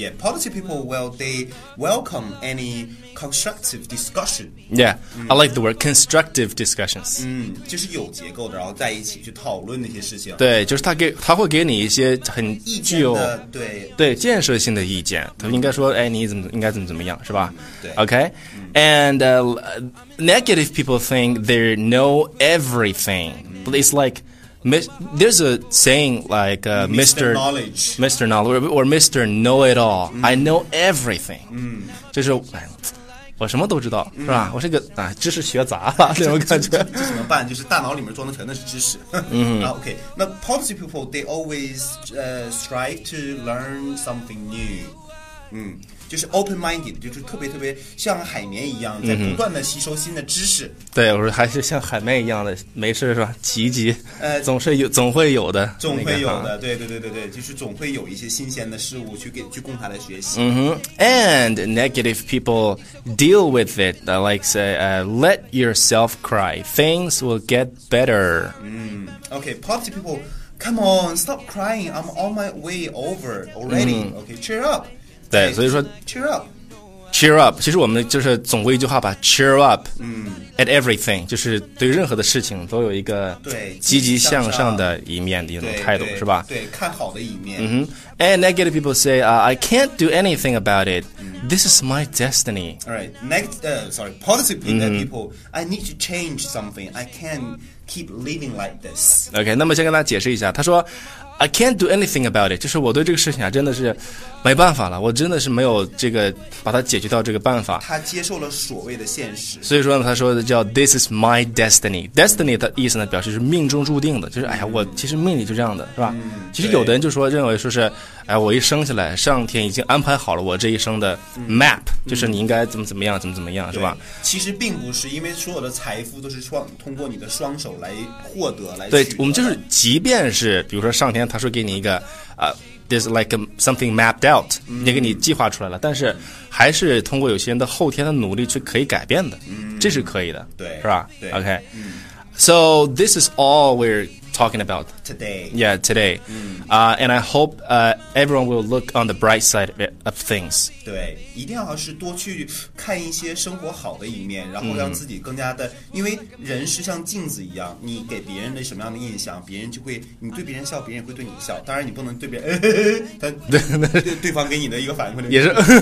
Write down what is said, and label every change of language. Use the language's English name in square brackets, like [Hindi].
[English] yeah positive people well they welcome any constructive discussion yeah、I like the word constructive discussions [Chinese] 就是有结构的然后在一起去讨论那些事情，对，就是他会给你一些很具有意见的，对对，建设性的意见，他应该说哎你怎么应该怎么怎么样，是吧，对 [English] OK and negative people think they know everything. But it's like, there's a saying like Mr. Knowledge or Mr. Know-it-all. I know everything. [Chinese] 就是我什么都知道，是吧？我是个知识学杂了，这种感觉。这怎么办？就是大脑里面装的全都是知识。 [English] OK, 那 positive people, they always strive to learn something new. [Chinese] 就是 open-minded 就是特别特别像海绵一样在不断的吸收新的知识、对，我说还是像海绵一样的没事是吧，急总是有总会有的总会有的、那个、对就是总会有一些新鲜的事物去供他来学习、 [English] And negative people deal with it like say let yourself cry things will get better、 OK positive people come on stop crying I'm on my way over already、OK cheer up [Chinese] 对，所以说 [English] cheer up [Chinese] 其实我们就是总归一句话吧 [English] cheer up、at everything [Chinese] 就是对任何的事情都有一个积极向上的一面的一种态度，是吧，对，看好的一面、 [English] And negative people say I can't do anything about it、This is my destiny. Positive people、I need to change something I can't keep living like this. [Chinese] OK 那么先跟大家解释一下，他说 [English] I can't do anything about it， [Chinese] 就是我对这个事情啊真的是没办法了，我真的是没有这个把它解决到这个办法。他接受了所谓的现实，所以说呢他说的叫 [English] This is my destiny。 [Chinese] Destiny 的意思呢表示是命中注定的，就是哎呀我其实命里就这样的，是吧、嗯、其实有的人就说认为说是哎我一生下来上天已经安排好了我这一生的 map、嗯、就是你应该怎么怎么样怎么怎么样，是吧？其实并不是，因为所有的财富都是通过你的双手来获得来取得。对，我们就是即便是比如说上天他说给你一个 [English] There's like something mapped out， [Chinese] 也给你计划出来了、嗯、但是还是通过有些人的后天的努力去可以改变的、嗯、这是可以的，对，是吧？对 [English] OK、嗯、 So this is all we're talking about today. Yeah, today、嗯 and I hope everyone will look on the bright side of things. [Chinese] 对，一定要是多去看一些生活好的一面，然后让自己更加的、嗯、因为人是像镜子一样，你给别人的什么样的印象，别人就会，你对别人笑，别人也会对你笑。当然你不能对别人、他 对方给你的一个反馈也是